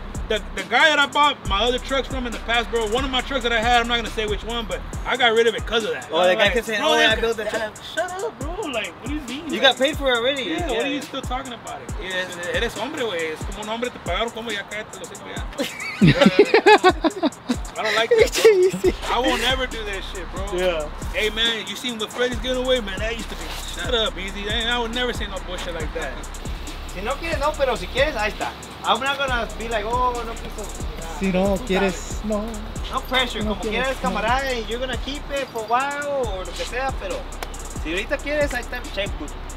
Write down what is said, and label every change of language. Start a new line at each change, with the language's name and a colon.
English: The guy that I bought my other trucks from in the past, bro, one of my trucks that I had, I'm not gonna say which one, but I got rid of it because of that. Oh, the guy kept saying, oh, yeah, I built it. Shut up, bro. Like, what do you mean? You got paid for it already. Yeah, what are you still talking about it? Yeah,
Spanish: eres hombre, wey. Es como un hombre, te pagaron como ya cállate los hijos, ya.
English: I don't like that, bro. I won't ever do that shit, bro. Yeah. Hey, man, you seen what Freddy's getting away, man. That used to be, shut up, easy. Man, I would never say no bullshit like that.
Spanish: Si no quieres, no, pero si quieres, ahí está.
English: I'm not gonna be like, oh,
Spanish: no piso. Nah, si no quieres, sabes. No.
English: No pressure,
Spanish: no como quieres, quieres camarada, no.
English: You're gonna keep it for a while or
Spanish: lo que sea, pero si ahorita quieres, ahí está el checkbook.